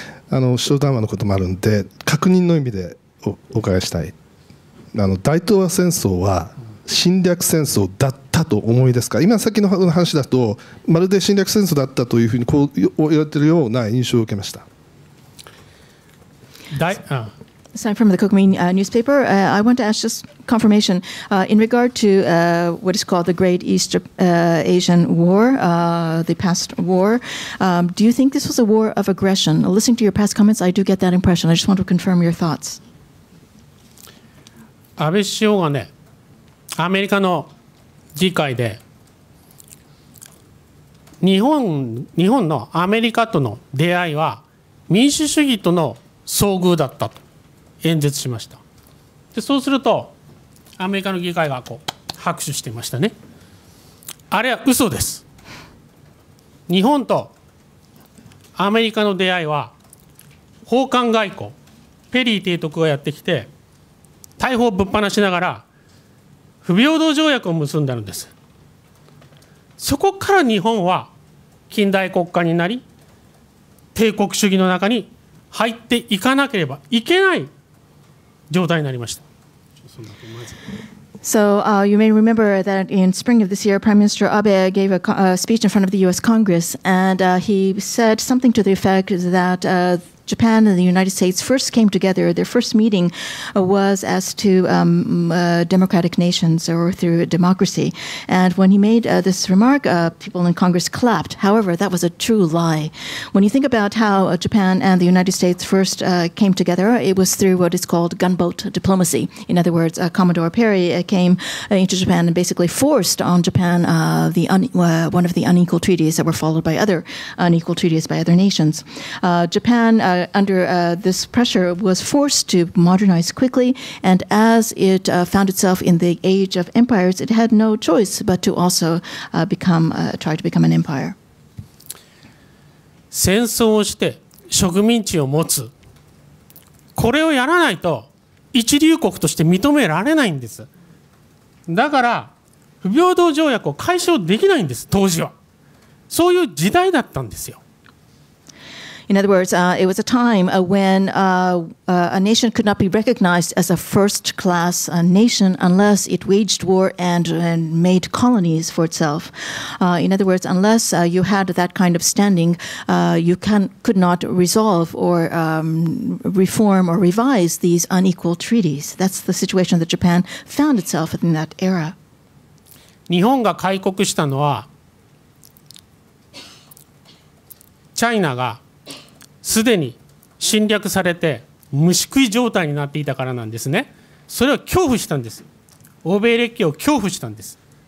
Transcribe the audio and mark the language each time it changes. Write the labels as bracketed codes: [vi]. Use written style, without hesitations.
[ja] 首脳談話のこともあるんで確認の意味で お伺いしたい。大東亜戦争は侵略戦争だったと思いですか。今さっきの話だとまるで侵略戦争だったというふうにこう言われているような印象を受けました。 [en] Aside from the Kukmin newspaper, I want to ask just confirmation in regard to what is called the Great East Asian War, the past war. Do you think this was a war of aggression? Listening to your past comments, I do get that impression. I just want to confirm your thoughts. [ja] 安倍首相がね、アメリカの議会で日本のアメリカとの出会いは民主主義との遭遇だったと演説しました。でそうするとアメリカの議会がこう拍手していましたね。あれは嘘です。日本とアメリカの出会いは訪韓外交、ペリー提督がやってきて大砲ぶっ放しながら不平等条約を結んだのです。そこから日本は近代国家になり帝国主義の中に入っていかなければいけない状態になりました。 [en] So you may remember that in spring of this year, Prime Minister Abe gave a speech in front of the U.S. Congress, and he said something to the effect that Japan and the United States first came together, their first meeting was as to democratic nations or through democracy. And when he made this remark, people in Congress clapped. However, that was a true lie. When you think about how Japan and the United States first came together, it was through what is called gunboat diplomacy. In other words, Commodore Perry came into Japan and basically forced on Japan one of the unequal treaties that were followed by other unequal treaties by other nations. Japan under this pressure was forced to modernize quickly, and as it found itself in the age of empires, it had no choice but to also try to become an empire. [ja] 戦争をして植民地を持つ、これをやらないと一流国として認められないんです。だから不平等条約を解消できないんです。当時はそういう時代だったんですよ。 [en] In other words, it was a time when a nation could not be recognized as a first-class nation unless it waged war and made colonies for itself. In other words, unless you had that kind of standing, you could not resolve or reform or revise these unequal treaties. That's the situation that Japan found itself in that era. [ja] 日本が開国したのはチャイナがすでに侵略されて虫食い状態になっていたからなんですね。それを恐怖したんです。欧米列強を恐怖したんです。